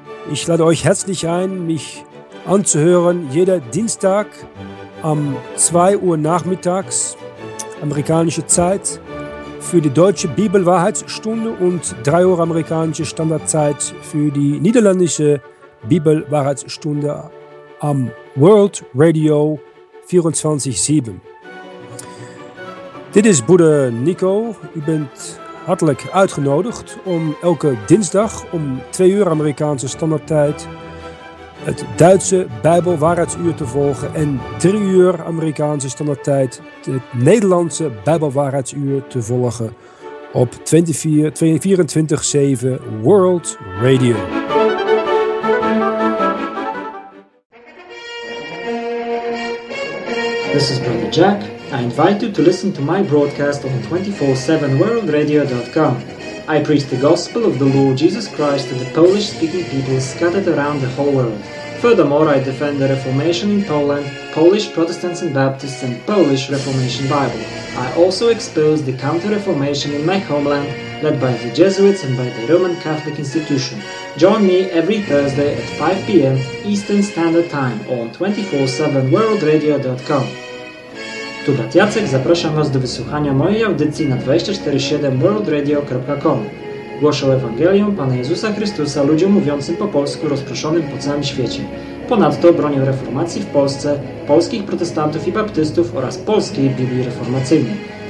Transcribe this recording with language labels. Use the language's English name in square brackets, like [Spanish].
[German] Ich lade euch herzlich ein, mich anzuhören jeder Dienstag am 2 Uhr nachmittags, amerikanische Zeit, für die deutsche Bibelwahrheitsstunde und 3 Uhr amerikanische Standardzeit für die niederländische Bibelwahrheitsstunde am World Radio 24/7. [Dutch] Dit is Bruder Nico. U bent hartelijk uitgenodigd om elke dinsdag om 2 uur amerikanische standaardtijd het Duitse Bijbelwaarheidsuur te volgen en 3 uur Amerikaanse standaardtijd het Nederlandse Bijbelwaarheidsuur te volgen op 24/7 World Radio. [English] This is Brother Jack. I invite you to listen to my broadcast on 247worldradio.com. I preach the gospel of the Lord Jesus Christ to the Polish-speaking people scattered around the whole world. Furthermore, I defend the Reformation in Poland, Polish Protestants and Baptists, and Polish Reformation Bible. I also expose the Counter-Reformation in my homeland, led by the Jesuits and by the Roman Catholic Institution. Join me every Thursday at 5 p.m. Eastern Standard Time on 247worldradio.com. [Polish] Tu brat Jacek, zapraszam Was do wysłuchania mojej audycji na 247worldradio.com. Głoszę Ewangelię Pana Jezusa Chrystusa ludziom mówiącym po polsku rozproszonym po całym świecie. Ponadto bronię reformacji w Polsce, polskich protestantów i baptystów oraz polskiej Biblii reformacyjnej.